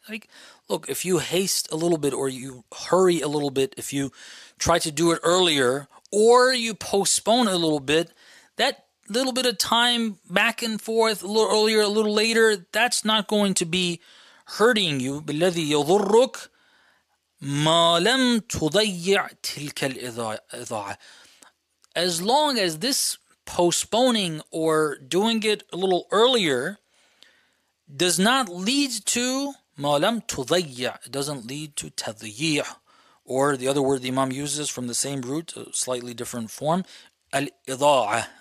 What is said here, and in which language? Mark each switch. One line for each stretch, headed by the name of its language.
English: Like, look, if you haste a little bit or you hurry a little bit, if you try to do it earlier or you postpone a little bit, that little bit of time back and forth, a little earlier, a little later, that's not going to be hurting you.
Arabic: بالذي يضرك ما لم تضيع تلك الإضاعة.
English: As long as this postponing or doing it a little earlier does not lead to
Arabic: ما لم تضيع,
English: it doesn't lead to تضيع, or the other word the Imam uses from the same root, a slightly different form, الإضاعة.